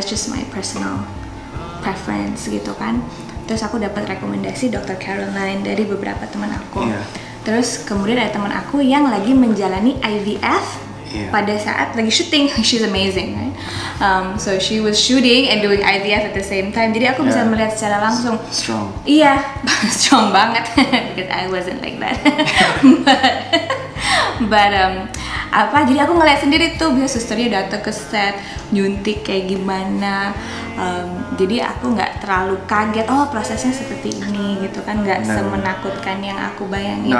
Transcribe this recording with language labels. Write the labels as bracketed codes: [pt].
[en] That's just my personal preference [id] gitu kan. Terus aku dapat rekomendasi Dr. Caroline dari beberapa teman aku. Terus kemudian ada teman aku yang lagi menjalani IVF pada saat lagi shooting. [en] She's amazing, right? So she was shooting and doing IVF at the same time. [id] Jadi aku bisa melihat secara langsung. [en] Strong. [id] Iya, strong banget. [en] Because I wasn't like that. [id] But jadi aku ngeliat sendiri tuh bisa susternya datang ke set nyuntik kayak gimana. Jadi aku nggak terlalu kaget, oh prosesnya seperti ini gitu kan, nggak semenakutkan yang aku bayangin.